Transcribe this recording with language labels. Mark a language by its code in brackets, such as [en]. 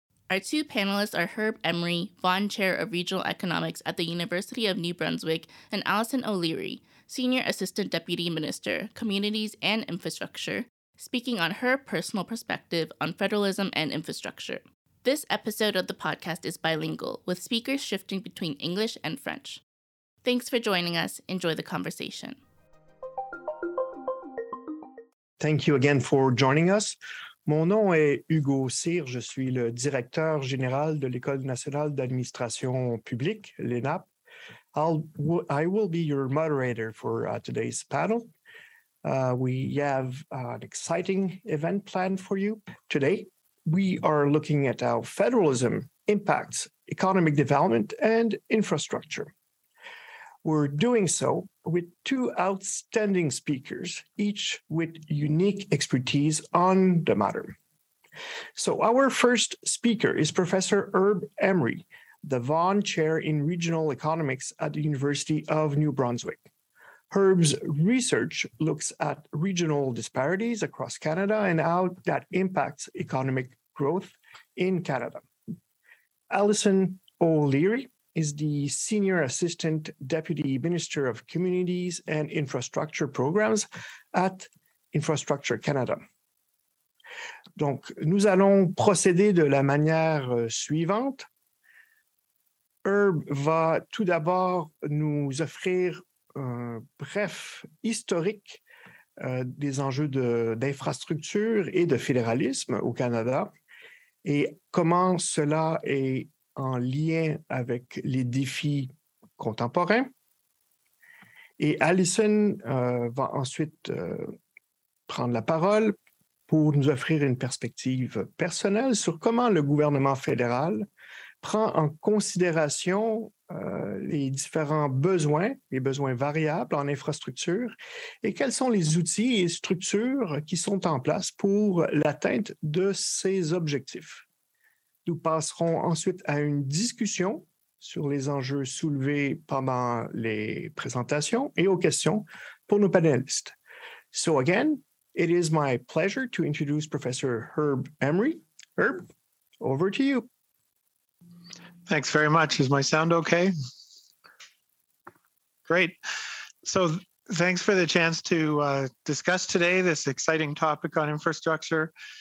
[en] Our two panelists are Herb Emery, Vaughan Chair of Regional Economics at the University of New Brunswick, and Allison O'Leary, Senior Assistant Deputy Minister, Communities and Infrastructure, speaking on her personal perspective on federalism and infrastructure. This episode of the podcast is bilingual, with speakers shifting between English and French. Thanks for joining us. Enjoy the conversation. Thank you again for joining us. [fr] Mon nom est Hugo Sir. Je suis le directeur général de l'École nationale d'administration publique, l'ENAP. [en] I will be your moderator for today's panel. We have an exciting event planned for you today. We are looking at how federalism impacts economic development and infrastructure. We're doing so with two outstanding speakers, each with unique expertise on the matter. So our first speaker is Professor Herb Emery, the Vaughan Chair in Regional Economics at the University of New Brunswick. Herb's research looks at regional disparities across Canada and how that impacts economic growth in Canada. Allison O'Leary is the Senior Assistant Deputy Minister of Communities and Infrastructure Programs at Infrastructure Canada. [fr] Donc, nous allons procéder de la manière suivante. Herb va tout d'abord nous offrir un bref historique des enjeux d'infrastructure et de fédéralisme au Canada et comment cela est en lien avec les défis contemporains. Et Allison va ensuite prendre la parole pour nous offrir une perspective personnelle sur comment le gouvernement fédéral prend en considération les différents besoins, les besoins variables en infrastructure, et quels sont les outils et structures qui sont en place pour l'atteinte de ces objectifs. Nous passerons ensuite à une discussion sur les enjeux soulevés pendant les présentations et aux questions pour nos panélistes. [en] So again, it is my pleasure to introduce Professor Herb Emery. Herb, over to you. Thanks very much. Is my sound okay? Great. So thanks for the chance to discuss today this exciting topic on infrastructure.